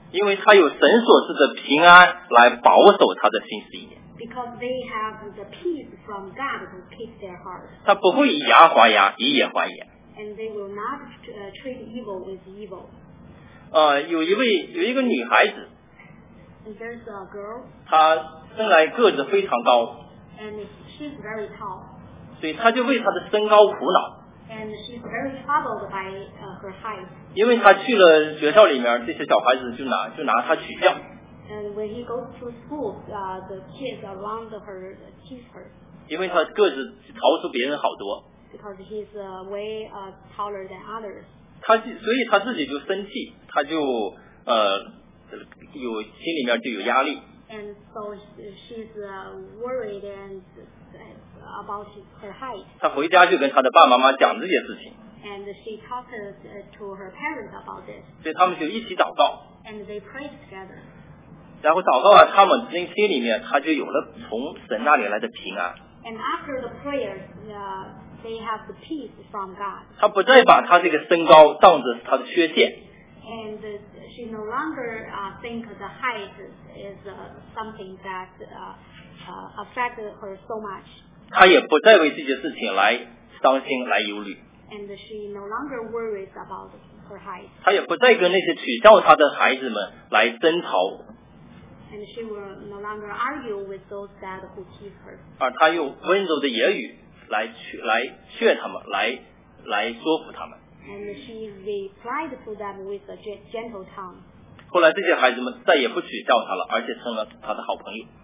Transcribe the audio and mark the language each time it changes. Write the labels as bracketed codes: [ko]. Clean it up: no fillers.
[zh] 因为他有神所赐的平安来保守他的心思意念。 [en] Because they have the peace from God to keep their hearts. [zh] 他不会以牙还牙，以眼还眼。 [en] And they will not treat evil with evil. [zh] 有一个女孩子。 [en] And there's a girl. [zh] 她生来个子非常高。 [en] And she's very tall. [zh] 所以她就为她的身高苦恼。 [en] And she's very troubled by her height. [zh] 因为她去了学校里面，这些小孩子就拿她取笑。 [en] And when he goes to school, the kids around her tease her. [zh] 因为他个子超出别人好多。 [en] Because he's way taller than others. [zh] 所以他自己就生气，他就有心里面就有压力。 [en] And so she's worried and about her height. [zh] 他回家就跟他的爸妈妈讲这些事情。 [en] And she talked to her parents about this. [zh] 所以他们就一起祷告。 [en] And they prayed together. [zh] 然后祷告了，他们心里面他就有了从神那里来的平安。 [en] And after the prayers, they have the peace from God. [zh] 他不再把他这个身高当作是他的缺陷。 [en] and she no longer think the height is something that affected her so much. [zh] 她也不再为这些事情来伤心来忧虑。 [en] And she no longer worries about her height. [zh] 她也不再跟那些取笑她的孩子们来争吵。 [en] And she will no longer argue with those that who tease her. [zh] 而她用温柔的言语来劝他们，来说服他们。 [en] And she replied to them with a gentle tone. [zh] 后来这些孩子们再也不取笑她了，而且成了她的好朋友。